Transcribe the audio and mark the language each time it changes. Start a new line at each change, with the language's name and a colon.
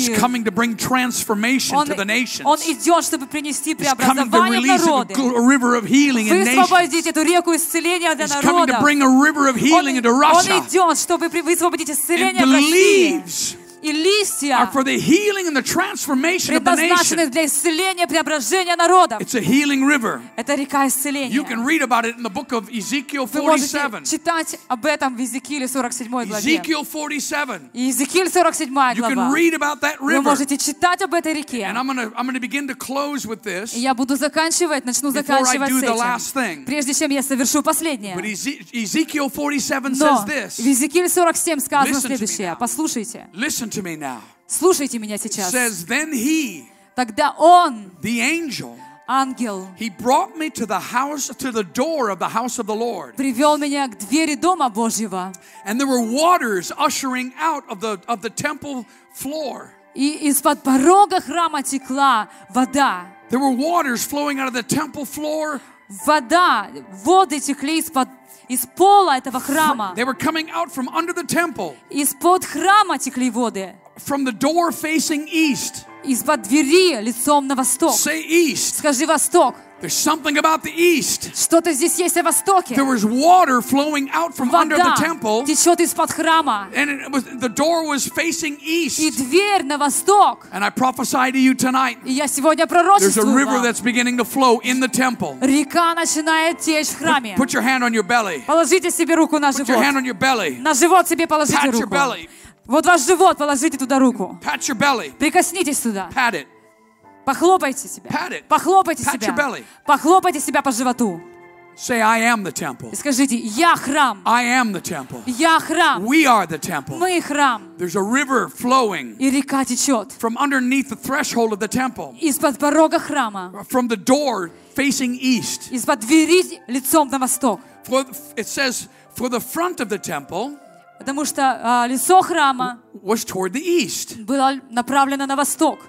English: He's coming to bring transformation to the nations.
Russian: Он идет, чтобы принести преобразование в народы.
English: He's coming to release a river of healing in nations.
Russian: Высвободить эту реку исцеления для народов.
English: He's coming to bring a river of healing into Russia.
Russian: Он идет, чтобы высвободить исцеление в России.
English: And the leaves.
Russian: и листья
English: are for the healing and the transformation of the nation.
Russian: Предназначены для исцеления, преображения народа.
English: It's a healing river.
Russian: Это река исцеления.
English: You can read about it in the book of Ezekiel 47.
Russian: Вы можете читать об этом в Иезекииле 47 главе.
English: Ezekiel 47.
Russian: Иезекииль 47 глава.
English: You can read about that river.
Russian: Вы можете читать об этой реке.
English: And I'm gonna begin to close with this.
Russian: Я буду заканчивать, начну заканчивать с этим.
English: Before I do the last thing.
Russian: Прежде чем я совершу последнее.
English: But Ezekiel 47 says this.
Russian: Но в Иезекииле 47 сказано следующее. Послушайте.
English: Listen to me now.
Russian: Слушайте меня сейчас.
English: Says then he.
Russian: Тогда он.
English: The angel.
Russian: Ангел.
English: He brought me to the house, to the door of the house of the Lord.
Russian: Привел меня к двери дома Божьего.
English: And there were waters ushering out of the temple floor.
Russian: И из-под порога храма текла вода.
English: There were waters flowing out of the temple floor.
Russian: Вода, воды текли из пола этого храма.
English: They were coming out from under the temple.
Russian: Из-под храма текли воды.
English: From the door facing east.
Russian: Из-под двери лицом на восток.
English: Say east.
Russian: Скажи восток.
English: There's something about the east.
Russian: Что-то здесь есть о востоке.
English: There was water flowing out from under the temple.
Russian: Вода течет из-под храма.
English: And the door was facing east.
Russian: И дверь на восток.
English: And I prophesy to you tonight.
Russian: И я сегодня пророчествую.
English: There's a river that's beginning to flow in the temple.
Russian: Река начинает течь в храме.
English: Put your hand on your belly.
Russian: Положите себе руку на живот.
English: Put your hand on your belly.
Russian: На живот себе положите
English: Pat
Russian: руку.
English: Pat your belly.
Russian: Вот ваш живот, положите туда руку.
English: Pat your belly.
Russian: Прикоснитесь туда.
English: Pat it.
Russian: Похлопайте себя.
English: Pat it.
Russian: Похлопайте
English: Pat
Russian: себя.
English: Your belly.
Russian: Похлопайте себя по животу.
English: Say I am the temple.
Russian: Скажите, я храм.
English: I am the temple.
Russian: Я храм.
English: We are the temple.
Russian: Мы храм.
English: There's a river flowing.
Russian: И река течет.
English: From underneath the threshold of the temple.
Russian: Из-под порога храма.
English: From the door facing east.
Russian: Из-под двери лицом на восток.
English: For it says for the front of the temple.
Russian: Потому что лицо храма было направлено на восток.